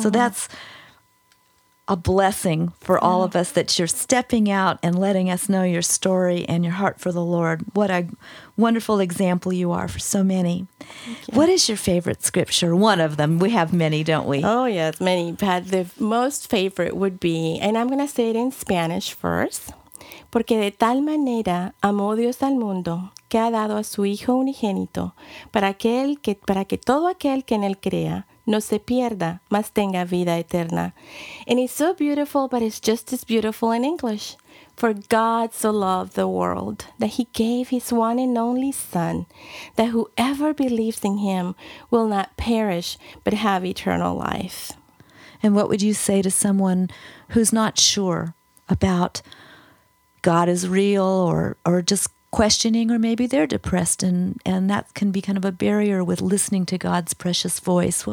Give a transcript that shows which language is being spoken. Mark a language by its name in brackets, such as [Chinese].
[English] So that's a blessing for all of us that you're stepping out and letting us know your story and your heart for the Lord. What a wonderful example you are for so many. What is your favorite scripture? One of them. We have many, don't we? Oh, yes, many. But the most favorite would be, and I'm going to say it in Spanish first. [Spanish] Porque de tal manera amó Dios al mundo que ha dado a su Hijo unigénito para que todo aquel que en él crea no se pierda, mas tenga vida eterna. [English] And it's so beautiful, but it's just as beautiful in English. For God so loved the world that he gave his one and only Son, that whoever believes in him will not perish, but have eternal life. And what would you say to someone who's not sure about God is real or just questioning, or maybe they're depressed and that can be kind of a barrier with listening to God's precious voice?